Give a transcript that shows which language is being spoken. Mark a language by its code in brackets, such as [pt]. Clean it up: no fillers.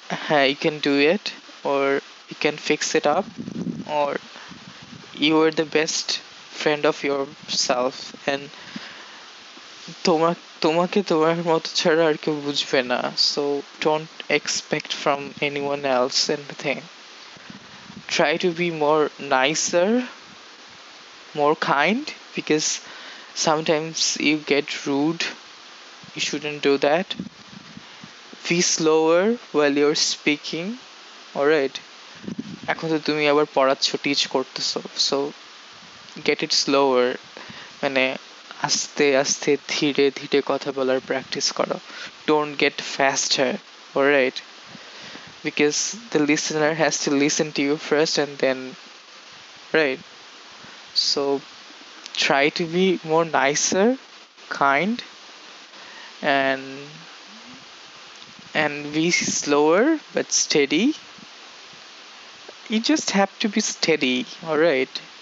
[en] You can do it, or you can fix it up, or you are the best friend of yourself, and [bn] tomake tomar moto chhara ar keu bujhbe na, [en] so don't expect from anyone else anything. Try to be more nicer, more kind, because sometimes you get rude. You shouldn't do that. Be slower while you're speaking. Alright. [bn] এখন তো তুমি আবার পড়াচ্ছ, [en] teach [bn] করতেছ, [en] so get it slower, [bn] মানে আস্তে আস্তে ধীরে ধীরে কথা বলার প্র্যাকটিস করো, [en] Don't get faster, alright, because the listener has to listen to you first and then, right, so try to be more nicer, kind, and be slower but steady. You just have to be steady, alright?